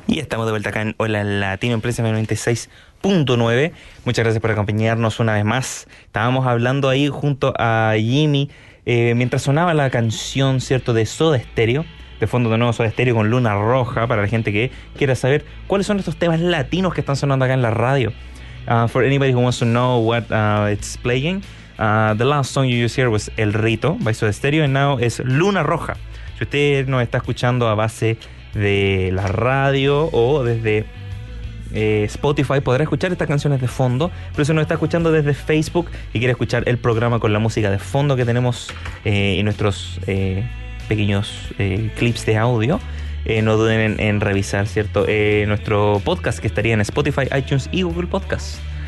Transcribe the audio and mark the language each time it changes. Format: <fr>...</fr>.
<es>estamos de vuelta acá en Hola Latino, Empresa 96.9. Muchas gracias por acompañarnos una vez más. Estábamos hablando ahí junto a Jimmy, mientras sonaba la canción, ¿cierto?, de Soda Stereo, de fondo de nuevo Soda Stereo con Luna Roja, para la gente que quiera saber cuáles son estos temas latinos que están sonando acá en la radio.</es> <en>For anybody who wants to know what it's playing, the last song you just heard was El Rito by Soda Stereo, and now is Luna Roja.</en> <es>Si usted nos está escuchando a base de la radio o desde Spotify, podrá escuchar estas canciones de fondo, pero si nos está escuchando desde Facebook y quiere escuchar el programa con la música de fondo que tenemos y nuestros pequeños clips de audio, no duden en revisar, ¿cierto?, nuestro podcast, que estaría en Spotify, iTunes y Google Podcast.</es>